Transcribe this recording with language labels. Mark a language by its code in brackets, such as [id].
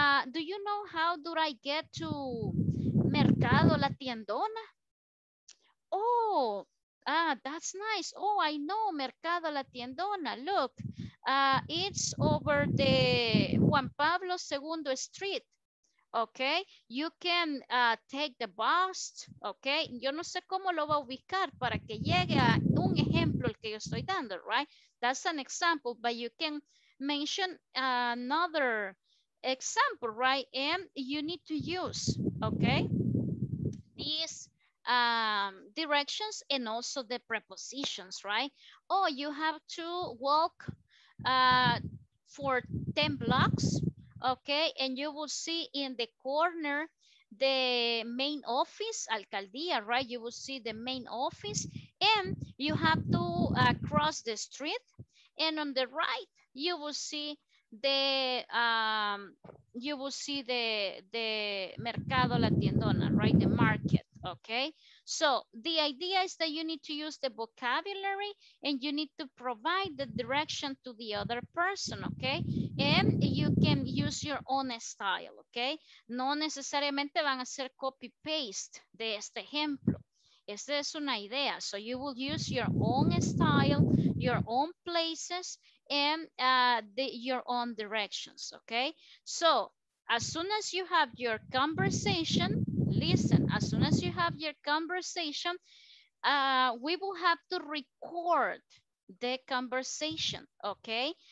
[en] Do you know how do I get to Mercado La Tiendona? Oh, that's nice. Oh, I know Mercado La Tiendona. Look, it's over the Juan Pablo II Street. Okay, you can take the bus, okay? [es] Yo no sé cómo lo va a ubicar para que llegue a un ejemplo el que yo estoy dando, right? [en] That's an example, but you can mention another example, right? And you need to use, okay, these directions and also the prepositions, right? Oh, you have to walk for 10 blocks, okay, and you will see in the corner the main office, alcaldía, right? You will see the main office, and you have to cross the street, and on the right you will see the you will see the Mercado La Tiendona, right? The market. Okay, so the idea is that you need to use the vocabulary and you need to provide the direction to the other person, okay? And you can use your own style, okay? [es] No necesariamente van a ser copy-paste de este ejemplo. Esta es una idea. [en] So you will use your own style, your own places, and your own directions, okay? So as soon as you have your conversation, listen, as soon as you have your conversation, we will have to record the conversation, okay?